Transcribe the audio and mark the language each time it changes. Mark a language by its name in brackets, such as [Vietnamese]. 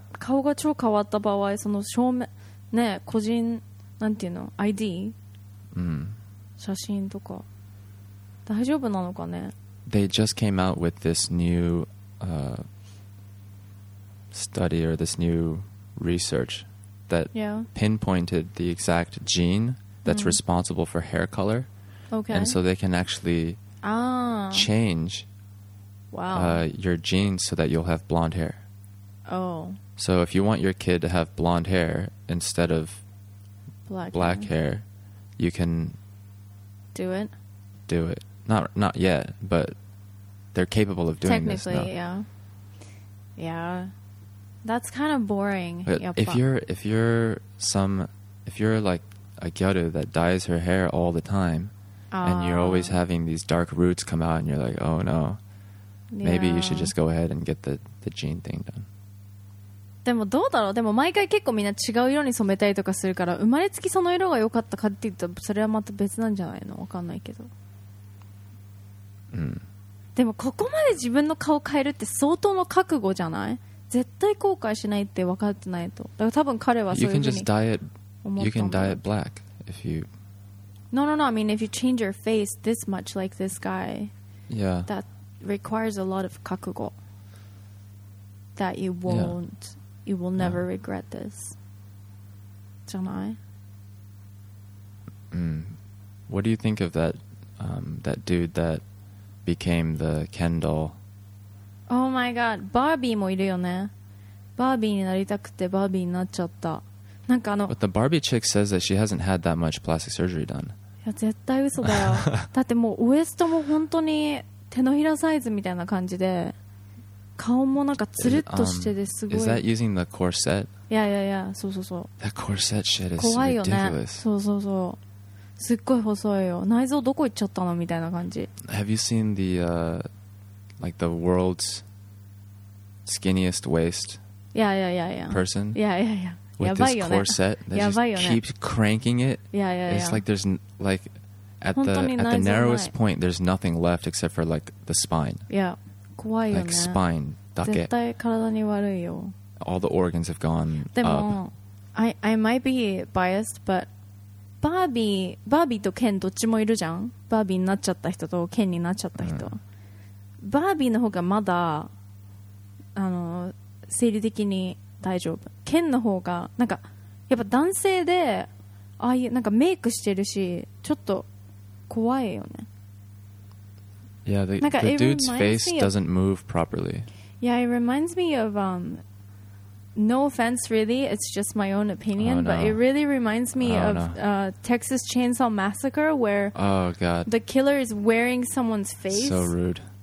[Japanese] 顔が超変わった場合、その証明、ね、個人、なんていうの、ID?、 Mm. 写真とか。大丈夫なのかね。 [English] They just came out with this new, study or this new research. That、 yeah. pinpointed the exact gene that's、mm. responsible for hair color. Okay. And so they can actually、 ah. change、 wow. Your genes so that you'll have blonde hair. Oh. So if you want your kid to have blonde hair instead of black hair, you can do it. Do it. Not yet, but they're capable of doing this. Technically, yeah. Yeah. That's kind of boring. If you're like a gyaru that dyes her hair all the time, and you're always having these dark roots come out, and you're like, oh no, maybe、 yeah. you should just go ahead and get the gene thing done. [Japanese] でもどうだろう。でも毎回結構みんな違う色に染めたりとかするから、生まれつきその色が良かったかって言ったらそれはまた別なんじゃないの。わかんないけど。うん。でもここまで自分の顔変えるって相当の覚悟じゃない？絶対後悔しないって分かってないと。だから多分彼はそういうふうに。 [English] You can just dye it. You can dye it black if you. No, no, no. I mean, if you change your face this much like this guy, yeah, that requires a lot of 覚悟 That you won't,、 yeah. you will never、yeah. regret this. [Japanese] じゃない？ [English] Mm. What do you think of that? That dude that became the Ken doll. Oh my god, [Japanese] バービーもいるよね。バービーになりたくてバービーになっちゃった。なんか [English] But the Barbie chick says that she hasn't had that much plastic surgery done. [Japanese] いや、絶対嘘だよ。だってもうウエストも本当に手のひらサイズみたいな感じで、顔もなんかツルッとしてて、すごい。 [English] Is that using the corset? Yeah, yeah, yeah. [Japanese] そうそうそう。 [English] That corset shit is ridiculous. [Japanese] 怖いよね。そうそうそう。すっごい細いよ。内臓どこ行っちゃったのみたいな感じ。 [English] Have you seen the, Like the world's skinniest waist yeah, yeah, yeah, yeah. person yeah, yeah, yeah. with this corset that just keeps cranking it. Yeah, yeah, it's yeah. like there's like at the narrowest point, there's nothing left except for like the spine. Yeah, [Japanese] 怖いよね。 [English] Like spine だけ。 [Japanese] 絶対体に悪いよ。 [English] All the organs have gone up. [Japanese] でも、 [English] I might be biased, but Barbie [Japanese] とケンどっちもいるじゃん。 Barbie になっちゃった人とケンになっちゃった人。Mm. バービーの方がまだ生理的に大丈夫。ケンの方がなんかやっぱ男性でああいうなんかメイクしてるしちょっと怖いよね。 [English] Yeah, the dude's face doesn't move properly. Yeah, it reminds me of, no offense really, it's just my own opinion, but it really reminds me of Texas Chainsaw Massacre where the killer is wearing someone's face. So rude.